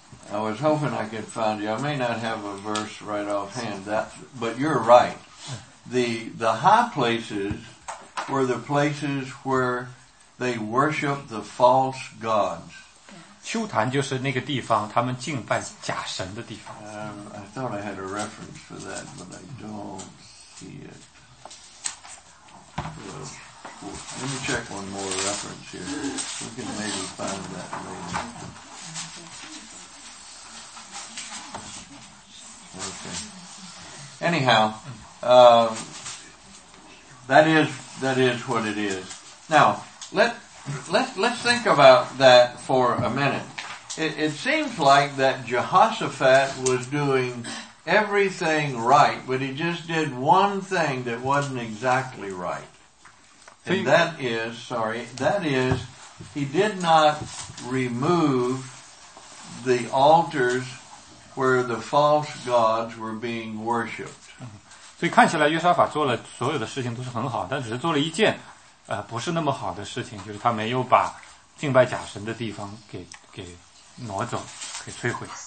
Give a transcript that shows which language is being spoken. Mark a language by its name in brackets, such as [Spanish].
[English] I was hoping I could find you. I may not have a verse right offhand, but you're right. The high places were the places where they worshiped the false gods. [Chinese] 秋坛就是那个地方，他们敬拜假神的地方。 [English] I thought I had a reference for that, but I don't see it. Let me check one more reference here. We can maybe find that later. Okay. Anyhow, that is what it is. Now, let's think about that for a minute. It seems like that Jehoshaphat was doing everything right, but he just did one thing that wasn't exactly right. And that is, he did not remove the altars where the false gods were being worshipped. [Chinese] 所以看起来约沙法做了所有的事情都是很好，但只是做了一件不是那么好的事情，就是他没有把敬拜假神的地方给挪走，给摧毁。